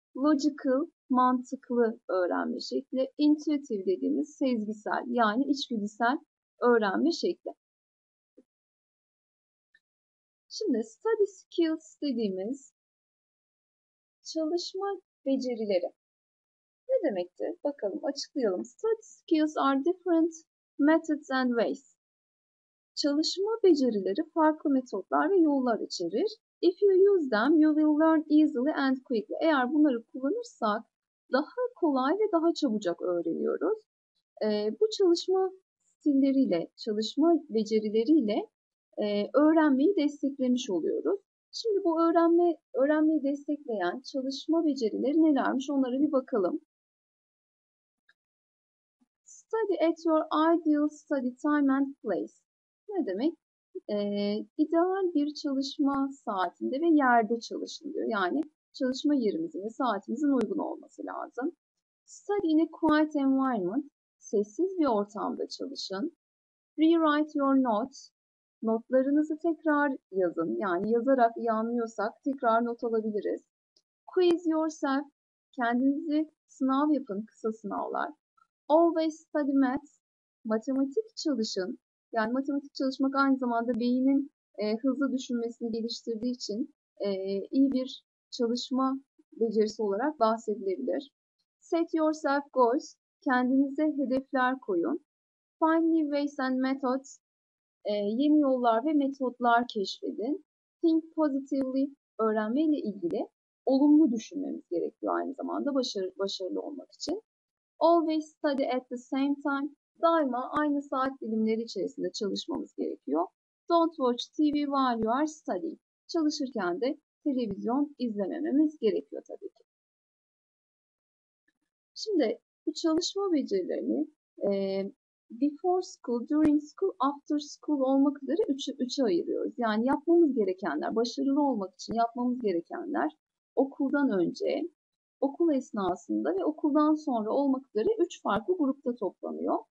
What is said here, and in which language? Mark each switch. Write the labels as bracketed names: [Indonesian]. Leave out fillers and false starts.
[Turkish] Logical mantıklı öğrenme şekli. Intuitive dediğimiz sezgisel yani içgüdüsel öğrenme şekli. Şimdi study skills dediğimiz çalışma becerileri. Ne demekti? Bakalım açıklayalım. [English] Study skills are different methods and ways. [Turkish] Çalışma becerileri farklı metotlar ve yollar içerir. [English] If you use them, you will learn easily and quickly. [Turkish] Eğer bunları kullanırsak daha kolay ve daha çabucak öğreniyoruz. Bu çalışma stilleriyle, çalışma becerileriyle öğrenmeyi desteklemiş oluyoruz. Şimdi bu öğrenmeyi destekleyen çalışma becerileri nelermiş? Onlara bir bakalım. [English] Study at your ideal study time and place. [Turkish] Ne demek? İdeal bir çalışma saatinde ve yerde çalışın diyor. Yani çalışma yerimizin ve saatimizin uygun olması lazım. [English] Study in a quiet environment. [Turkish] Sessiz bir ortamda çalışın. [English] Rewrite your notes. [Turkish] Notlarınızı tekrar yazın. Yani yazarak iyi anlıyorsak tekrar not alabiliriz. [English] Quiz yourself. [Turkish] Kendinizi sınav yapın. Kısa sınavlar. [English] Always study math. [Turkish] Matematik çalışın. Yani matematik çalışmak aynı zamanda beynin hızlı düşünmesini geliştirdiği için iyi bir çalışma becerisi olarak bahsedilebilir. [English] Set yourself goals. [Turkish] Kendinize hedefler koyun. [English] Find new ways and methods. [Turkish] Yeni yollar ve metotlar keşfedin. [English] Think positively. [Turkish] Öğrenmeyle ilgili olumlu düşünmemiz gerekiyor aynı zamanda başarılı olmak için. [English] Always study at the same time. [Turkish] Daima aynı saat dilimleri içerisinde çalışmamız gerekiyor. [English] Don't watch TV while you are studying. [Turkish] Çalışırken de televizyon izlemememiz gerekiyor tabii ki. Şimdi bu çalışma becerilerini before school, during school, after school olmak üzere üçe ayırıyoruz. Yani yapmamız gerekenler, başarılı olmak için yapmamız gerekenler okuldan önce, okul esnasında ve okuldan sonra olmak üzere üç farklı grupta toplanıyor.